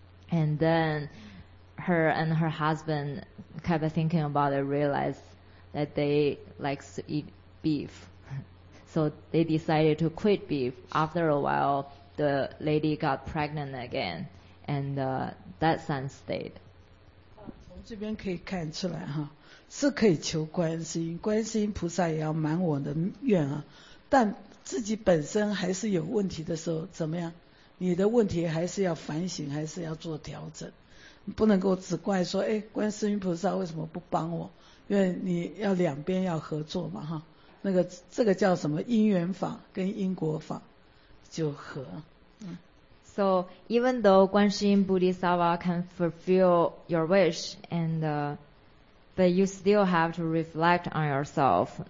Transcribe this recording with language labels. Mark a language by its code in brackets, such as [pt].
[en] And then her and her husband kept thinking about it, realized that they like to eat beef. So they decided to quit beef. After a while, the lady got pregnant again. And that son stayed. [zh] 从这边可以看出来哈，是可以求观世音，观世音菩萨也要满我的愿啊。但自己本身还是有问题的时候，怎么样？你的问题还是要反省，还是要做调整，不能够只怪说，哎，观世音菩萨为什么不帮我？因为你要两边要合作嘛哈。那个这个叫什么因缘法跟因果法就合。 [en] So even though 观世音菩提萨瓦 can fulfill your wish, and but you still have to reflect on yourself.